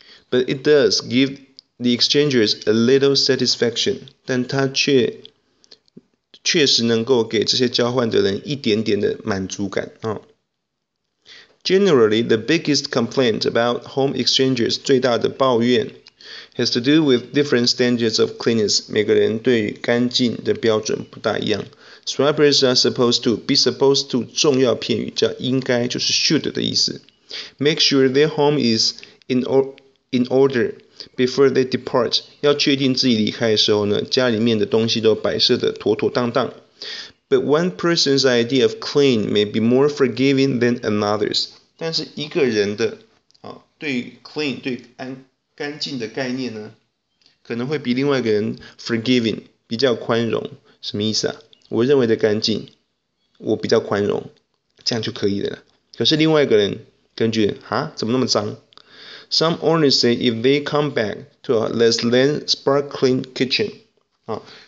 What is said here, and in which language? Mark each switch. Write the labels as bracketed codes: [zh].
[en] But it does give the exchangers a little satisfaction， [zh] 但它确实能够给这些交换的人一点点的满足感、啊 [en] Generally, the biggest complaint about home exchangers, [zh] 最大的抱怨 [en] has to do with different standards of cleanliness. [zh] 每个人对于干净的标准不大一样。 [en] Swappers are supposed to, [zh] be supposed to, 重要片语叫应该就是 should 的意思。 [en] Make sure their home is in order before they depart. [zh] 要确定自己离开的时候呢，家里面的东西都摆设得妥妥当当。 [en] But one person's idea of clean may be more forgiving than another's. [zh] 但是一个人的、哦、对 clean 对干净的概念呢，可能会比另外一个人 forgiving 比较宽容。什么意思啊？我认为的干净，我比较宽容，这样就可以了。可是另外一个人根据啊，怎么那么脏？ [en] Some owners say if they come back to a less than sparkling kitchen, 啊、哦。